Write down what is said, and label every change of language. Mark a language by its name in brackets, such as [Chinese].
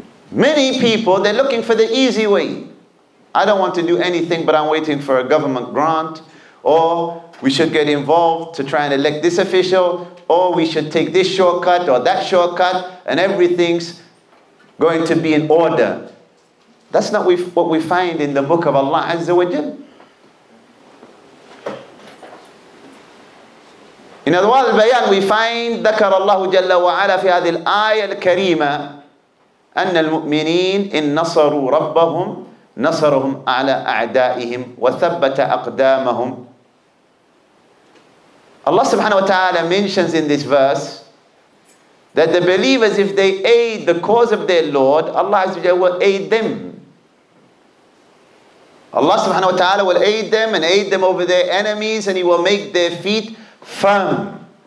[English] Many people, they're looking for the easy way. I don't want to do anything, but I'm waiting for a government grant, or we should get involved to try and elect this official, or we should take this shortcut or that shortcut, and everything's going to be in order. That's not what we find in the book of Allah Azza wa Jal. In Adwal al-Bayan, we find [Arabic] ذكر الله جل وعلا في هذه الآية الكريمة أن المؤمنين إن نصروا ربهم نصرهم على أعدائهم وثبت أقدامهم. [English] Allah subhanahu wa ta'ala mentions in this verse that the believers, if they aid the cause of their Lord, Allah azza wa jalla will aid them. Allah subhanahu wa ta'ala will aid them and aid them over their enemies, and He will make their feet firm.